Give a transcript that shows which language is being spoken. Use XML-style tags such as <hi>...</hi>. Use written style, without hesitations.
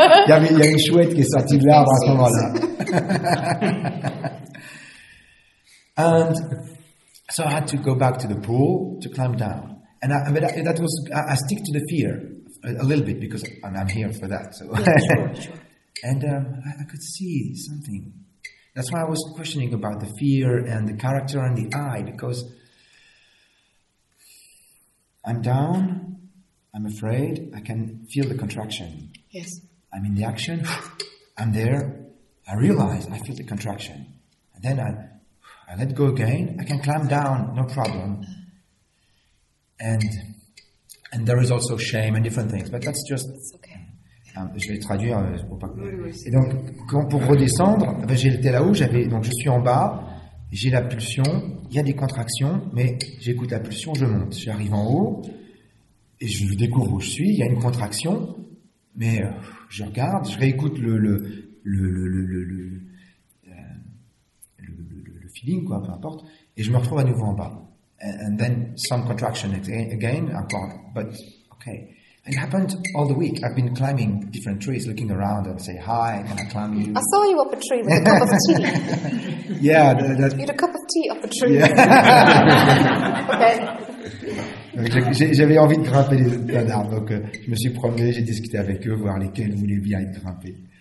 <fr>Il y a une chouette qui est sortie de l'arbre à ce moment-là.</fr> <en>And so I had to go back to the pool to climb down. And I stick to the fear a little bit because I'm here for that. So. And I could see something. That's why I was questioning about the fear and the character and the eye, because I'm down, I'm afraid, I can feel the contraction. Yes. I'm in the action, I'm there, I realize I feel the contraction. And then I let go again, I can climb down, no problem. And there is also shame and different things, but that's just... It's okay.</en> <fr>Je vais traduire pour pas. Et donc, pour redescendre, j'étais là-haut, je suis en bas, j'ai la pulsion, il y a des contractions, mais j'écoute la pulsion, je monte. J'arrive en haut, et je découvre où je suis, il y a une contraction, mais je regarde, je réécoute le feeling, quoi, peu importe, et je me retrouve à nouveau en bas.</fr> <en>And then, some contraction again, but okay. It happened all the week. I've been climbing different trees, looking around and say, hi, can I climb you? I saw you up a tree with a cup of tea. Yeah. You had a cup of tea up a tree. Yeah. Okay.</en> <fr>J'avais envie de grimper les arbres, donc je me suis promené, j'ai discuté avec eux, voir lesquels voulaient bien être grimpés.</fr>